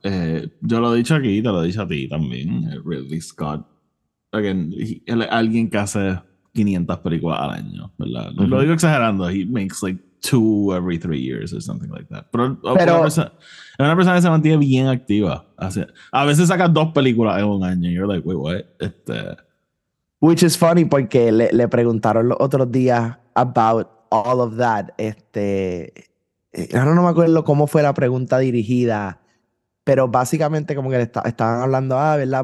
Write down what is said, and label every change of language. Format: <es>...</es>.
<es>Yo lo he dicho aquí, te lo he dicho a ti también, Ridley Scott. Again, alguien que hace 500 películas al año, ¿verdad? Uh-huh. Lo digo exagerando,</es> <en>he makes like two every three years or something like that.</en> <es>Pero es una persona que se mantiene bien activa. Así, a veces saca dos películas en un año.</es> <en>You're like, wait, what? Which is funny</en> <es>porque le preguntaron los otros días</es> <en>about all of that.</en> <es>No me acuerdo cómo fue la pregunta dirigida, pero básicamente como que estaban hablando, ¿verdad?</es>